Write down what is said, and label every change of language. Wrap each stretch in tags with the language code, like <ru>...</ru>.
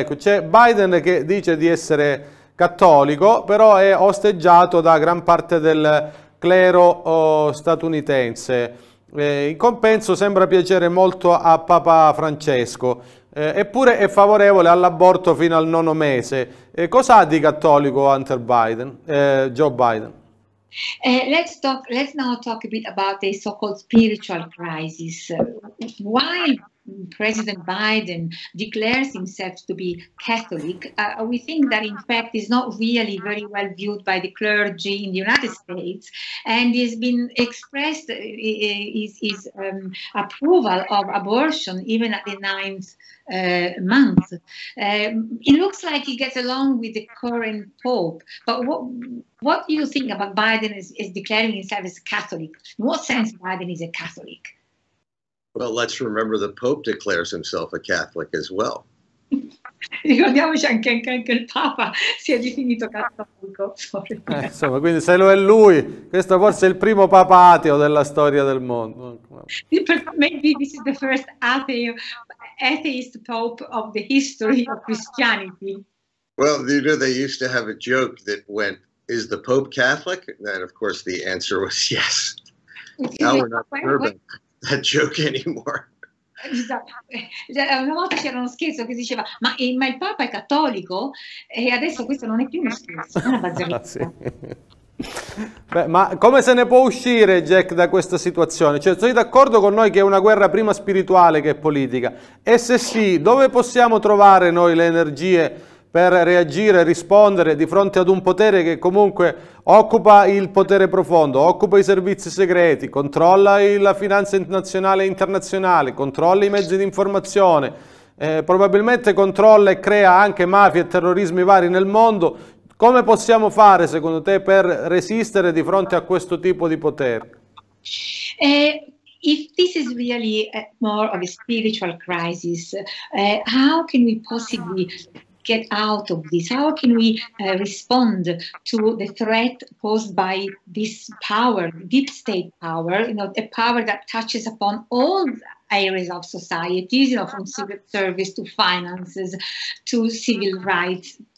<it>Ecco, c'è Biden che dice di essere cattolico, però è osteggiato da gran parte del clero statunitense. In compenso sembra piacere molto a Papa Francesco, eppure è favorevole all'aborto fino al nono mese. Cosa ha di cattolico Hunter Biden, Joe Biden?</it> <en>Let's now talk a bit about the so-called spiritual crisis. Why President Biden declares himself to be Catholic, we think that in fact is not really very well viewed by the clergy in the United States, and he's been expressed his approval of abortion even at the ninth month. It looks like he gets along with the current Pope, but what do you think about Biden is declaring himself as Catholic? In what sense Biden is a Catholic? Well, let's remember the Pope declares himself a Catholic as well.</en> <it>Ricordiamoci anche il Papa si è definito cattolico. Insomma, quindi se lo è lui, questo forse è il primo Papa ateo della storia del mondo.</it> <en>Maybe this is the first atheist Pope of the history of Christianity. Well, you know, they used to have a joke that went, is the Pope Catholic? And of course the answer was yes. Now we're not urban. That joke anymore.</en> <it>Esatto. Una volta c'era uno scherzo che diceva ma il Papa è cattolico, e adesso questo non è più uno scherzo, è una bazzaglia. Sì. Ma come se ne può uscire, Jack, da questa situazione? Cioè, sei d'accordo con noi che è una guerra prima spirituale che politica? E se sì, dove possiamo trovare noi le energie per reagire, rispondere di fronte ad un potere che comunque occupa il potere profondo, occupa i servizi segreti, controlla la finanza nazionale e internazionale, controlla i mezzi di informazione, probabilmente controlla e crea anche mafie e terrorismi vari nel mondo? Come possiamo fare, secondo te, per resistere di fronte a questo tipo di potere?</it> <en>If this is really more of a spiritual crisis, how can we possibly get out of this? How can we respond to the threat posed by this power, deep state power, you know, a power that touches upon all areas of societies, you know, from civil service to finances to civil rights?</en>